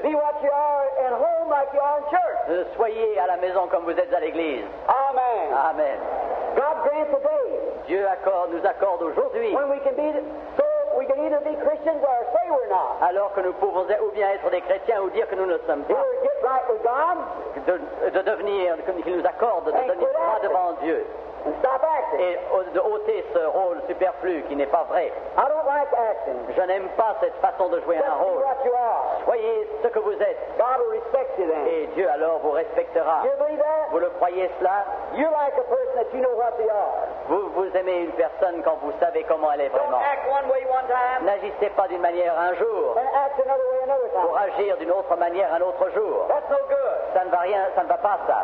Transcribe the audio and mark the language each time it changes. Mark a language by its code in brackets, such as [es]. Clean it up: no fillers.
[en] Be what you are at home like you are in church. [fr] Soyez à la maison comme vous êtes à l'église. [en] Amen. [fr] Amen. [en] God grant today. [fr] Dieu accorde, nous accorde aujourd'hui. [en] When we can be the... We can either be Christians or say we're not. [fr] Alors que nous pouvons ou bien être des chrétiens ou dire que nous ne sommes pas. [en] Either get right with God. [fr] De devenir, qu'il nous accorde de devenir droit devant Dieu. [en] Stop acting. [fr] Et de ôter ce rôle superflu qui n'est pas vrai. [en] I don't like acting. [fr] Je n'aime pas cette façon de jouer [en] just [fr] un rôle. [en] What you are. [fr] Soyez ce que vous êtes. [en] God will respect you then. [fr] Et Dieu alors vous respectera. [en] You believe that? [fr] Vous le croyez cela? [en] You like a person that you know what they are. [fr] Vous aimez une personne quand vous savez comment elle est vraiment. [en] Don't act one way one time. [fr] N'agissez pas d'une manière un jour. [en] And act another way another time. [fr] Pour agir d'une autre manière un autre jour. [en] That's no good. [fr] Ça ne va rien, ça ne va pas ça.